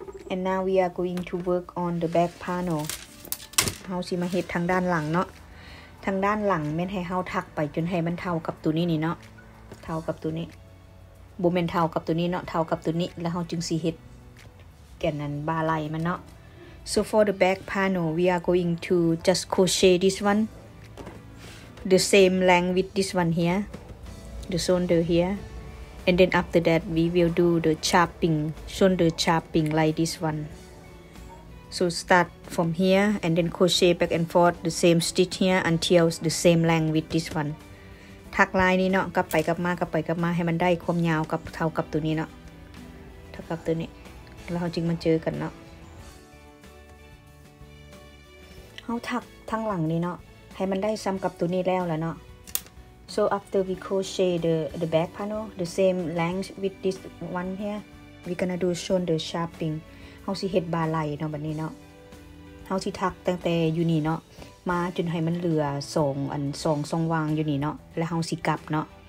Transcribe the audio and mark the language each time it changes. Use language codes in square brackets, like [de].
[en] and now we are going to work on the back panel [tts] เฮาสิมาเฮ็ดทางด้านหลังเนาะทางด้านหลังแม่นให้เฮาทักไปจนให้มันเท่ากับตัวนี้นี่เนาะเท่ากับตัวนี้บ่แม่นเท่ากับตัวนี้เนาะเท่ากับตัวนี้แล้วเฮาจึงสิเฮ็ดแก่นนั้นบ่าไหลมันเนาะ [en] So for the back panel, we are going to just crochet this one. The same length with this one here. The shoulder here. And then after that, we will do the chopping, shoulder chopping like this one. So start from here and then crochet back and forth the same stitch here until the same length with this one. [tts] ทักลายนี้เนาะกลับไปกลับมากลับไปกลับมาให้มันได้ความยาวกับเท่ากับตัวนี้เนาะเท่ากับตัวนี้แล้วเราจึงมาเจอกันเนาะ เฮาทักทางหลังนี่เนาะให้มันได้ซ้ํากับตัวนี้แล้วล่ะเนาะ [en] So after we crochet the back panel the same length with this one here we gonna do shoulder chopping [tts] เฮาสิเฮ็ดบ่าไหลเนาะบัดนี้เนาะเฮาสิทักตั้งแต่อยู่นี่เนาะมาจนให้มันเหลือ2อัน2 2วางอยู่นี่เนาะแล้วเฮาสิกลับเนาะ